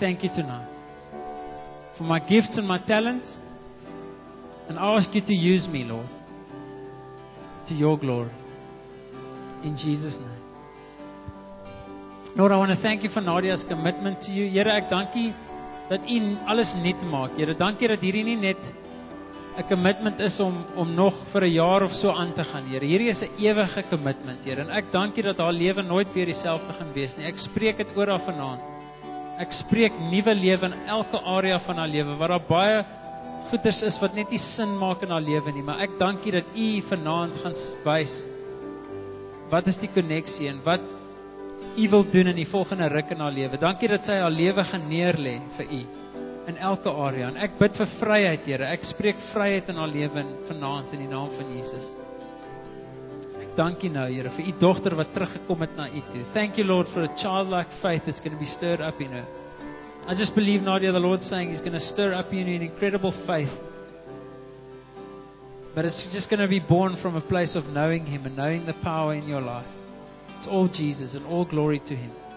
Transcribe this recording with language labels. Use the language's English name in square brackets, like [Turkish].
[English] Thank you tonight for my gifts and my talents. And I ask you to use me, Lord, to your glory. In Jesus' name. Lord, I want to thank you for Nadia's commitment to you. [Afrikaans] Here, ek dank you dat u alles net maak. Here, dank you dat hierdie nie net a commitment is om nog vir 'n jaar of so aan te gaan, Here. Hierdie is 'n ewige commitment, Here. En ek dank U dat haar lewe nooit weer dieselfde gaan wees nie. Ek spreek dit oor haar vanaand. Ek spreek nuwe lewe in elke area van haar lewe waar daar baie goeders is wat net nie sin maak in haar lewe nie, maar ek dank U dat U vanaand gaan wys wat is die koneksie en wat U wil doen in die volgende ruk in haar lewe. Dankie dat sy haar lewe gaan neerlê vir U. In elke area. En ek bid vir vryheid, Here. Ek spreek vryheid in haar lewe vanaand in die naam van Jesus. Ek dank U nou, Here, vir U dogter wat teruggekom het na U toe. [English] Thank you, Lord, for a childlike faith that's going to be stirred up in her. I just believe, Nadia, the Lord saying He's going to stir up in you an incredible faith. But it's just going to be born from a place of knowing Him and knowing the power in your life. It's all Jesus and all glory to Him.